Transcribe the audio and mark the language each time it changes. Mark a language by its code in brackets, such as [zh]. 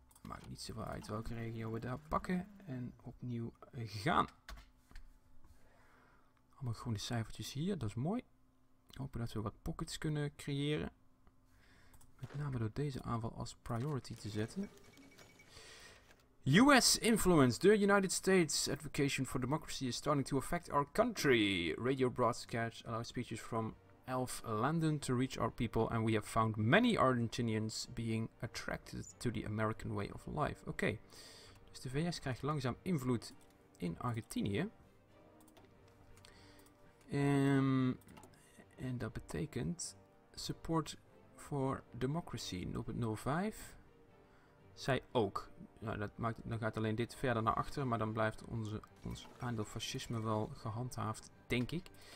[nl] Maakt niet zoveel uit welke regio we daar pakken. En opnieuw gaan. Allemaal groene cijfertjes hier, dat is mooi. Hopen dat we wat pockets kunnen creëren. Met name door deze aanval als priority te zetten. [en] US influence. The United States advocation for democracy is starting to affect our country. Radio broadcasts allow speeches from Elf Landon to reach our people. And we have found many Argentinians being attracted to the American way of life. [nl] Oké. Okay. Dus de VS krijgt langzaam invloed in Argentinië. En dat betekent [en] support for democracy. [nl] 0.05. Zij ook. Ja, dat maakt, dan gaat alleen dit verder naar achter, maar dan blijft ons aandeel fascisme wel gehandhaafd, denk ik.